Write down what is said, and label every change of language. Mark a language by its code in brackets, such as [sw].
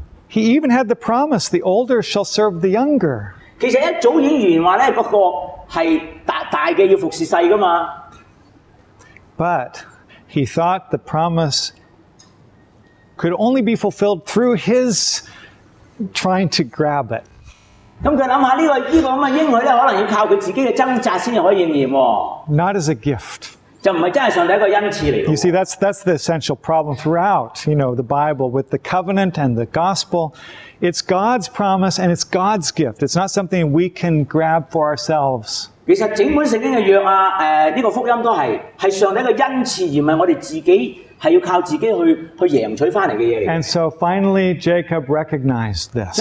[en] He even had the promise, "The older shall serve the younger." [yue] 其實一早已經預言話咧，嗰個係大嘅要服侍細噶嘛。 [en] But he thought the promise could only be fulfilled through his trying to grab it. [yue] 咁佢諗下呢個咁嘅應許咧，可能要靠佢自己嘅掙扎先可以應驗喎。 [en] Not as a gift. You see, that's the essential problem throughout, you know, the Bible with the covenant and the gospel. It's God's promise and it's God's gift. It's not something we can grab for ourselves. And so finally, Jacob recognized this.